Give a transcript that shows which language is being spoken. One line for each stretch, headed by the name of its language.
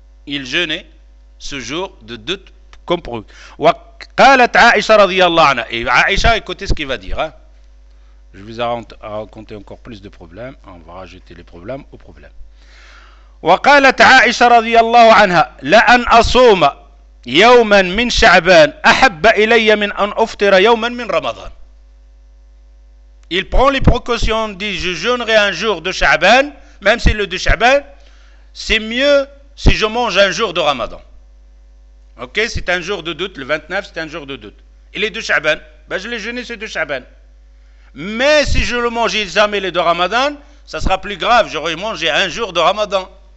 French: Il jeûnait ce jour de doute.
Arabic: وقالت عائشة رضي الله عنها عائشة
French: écoutez ce qu'il va dire hein? Je vous ai raconté encore plus de problèmes. On va rajouter les problèmes aux problèmes.
Arabic: وقالت عائشة رضي الله عنها لأن أصوم يوما من شعبان أحب إلي من أن أفطر يوما من رمضان.
French: Il prend les précautions, dit je jeûnerai un jour de Sha'ban, même si le de Sha'ban, c'est mieux si je mange un jour de Ramadan. Ok, c'est un jour de doute, le 29 c'est un jour de doute. Il est de Sha'ban, ben je l'ai jeûné ce de Sha'ban. Mais si je le mange jamais le de Ramadan, ça sera plus grave, j'aurais mangé un jour de Ramadan.